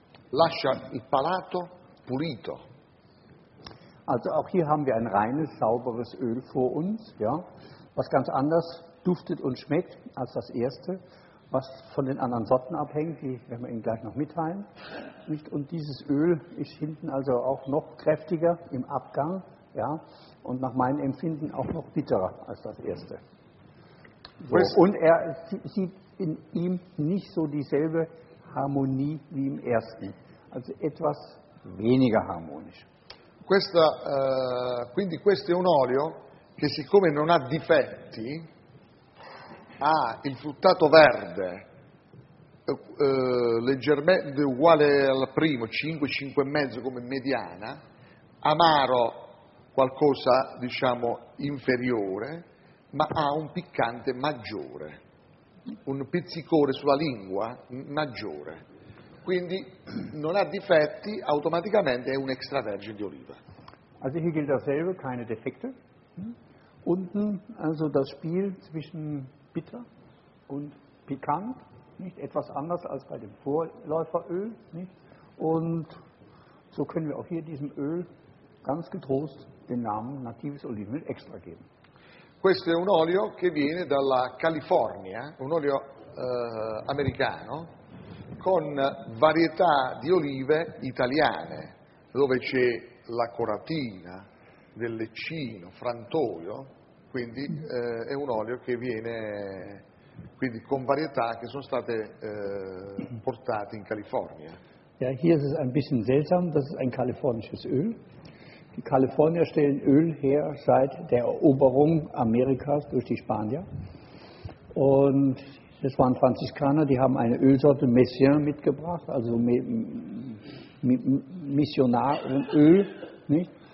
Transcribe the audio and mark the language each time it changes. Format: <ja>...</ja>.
<it>Lascia il palato pulito.</it> <de>Also auch hier haben wir ein reines, sauberes Öl vor uns, ja, was ganz anders duftet und schmeckt als das erste, was von den anderen Sorten abhängt, die werden wir Ihnen gleich noch mitteilen. Und dieses Öl ist hinten also auch noch kräftiger im Abgang, ja, und nach meinem Empfinden auch noch bitterer als das erste. So, und er sieht in ihm nicht so dieselbe Harmonie wie im ersten. also etwas weniger harmonisch.</de> <it>Questa, quindi questo è un olio che siccome non ha difetti, ha il fruttato verde leggermente uguale al primo, 5-5 e mezzo come mediana, amaro qualcosa diciamo inferiore, ma ha un piccante maggiore, un pizzicore sulla lingua maggiore. Quindi non ha difetti, automaticamente è un extravergine di oliva.</it> <de>Also hier gilt dasselbe, keine Defekte. Unten also das Spiel zwischen bitter und pikant, nicht etwas anders als bei dem Vorläuferöl, nicht? Und so können wir auch hier diesem Öl ganz getrost den Namen natives Olivenöl extra geben.</de> <it>Questo è un olio che viene dalla California, un olio americano con varietà di olive italiane, dove c'è la coratina, del leccino, frantoio, quindi è un olio che viene quindi con varietà che sono state portate in California.</it> <de>Ja, hier ist es ein bisschen seltsam, das ist ein kalifornisches Öl. Die Kalifornier stellen Öl her seit der Eroberung Amerikas durch die Spanier. Und das waren Franziskaner, die haben eine Ölsorte Messien mitgebracht, also Missionaröl, nicht?</de>